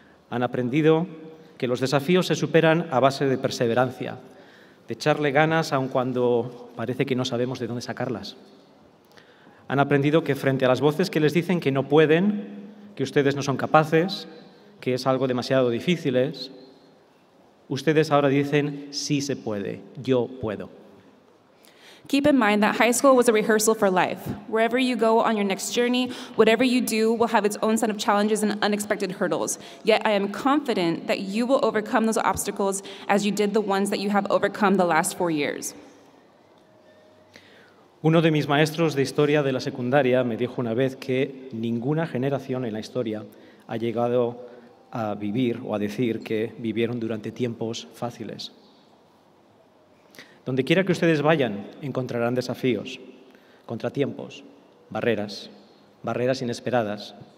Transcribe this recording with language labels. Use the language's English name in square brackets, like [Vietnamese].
[Spanish] Han aprendido que los desafíos se superan a base de perseverancia, de echarle ganas aun cuando parece que no sabemos de dónde sacarlas. Han aprendido que frente a las voces que les dicen que no pueden, que ustedes no son capaces, que es algo demasiado difícil, ustedes ahora dicen, sí se puede, yo puedo. [English] Keep in mind that high school was a rehearsal for life. Wherever you go on your next journey, whatever you do will have its own set of challenges and unexpected hurdles. Yet I am confident that you will overcome those obstacles as you did the ones that you have overcome the last 4 years. [Spanish] Uno de mis maestros de historia de la secundaria me dijo una vez que ninguna generación en la historia ha llegado a vivir o a decir que vivieron durante tiempos fáciles. Donde quiera que ustedes vayan, encontrarán desafíos, contratiempos, barreras, barreras inesperadas.